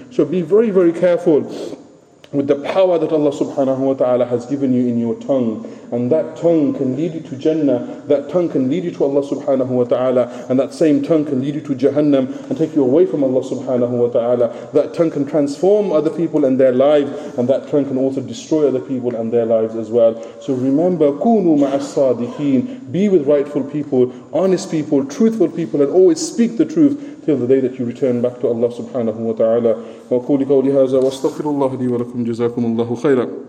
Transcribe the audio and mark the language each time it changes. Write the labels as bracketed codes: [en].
[en] So be very, very careful with the power that Allah subhanahu wa ta'ala has given you in your tongue. And that tongue can lead you to Jannah. That tongue can lead you to Allah subhanahu wa ta'ala. And that same tongue can lead you to Jahannam and take you away from Allah subhanahu wa ta'ala. That tongue can transform other people and their lives. And that tongue can also destroy other people and their lives as well. So remember, [ar] كُونُوا مَعَ الصَّادِقِينَ. [en] Be with rightful people, honest people, truthful people, and always speak the truth till the day that you return back to Allah subhanahu wa ta'ala. [ar] وَقُولِ قَوْلِ هَذَا وَاسْتَغْفِرُ اللَّهَ لِي وَلَكُمْ جَزَاكُمُ اللَّهُ خَيْرًا.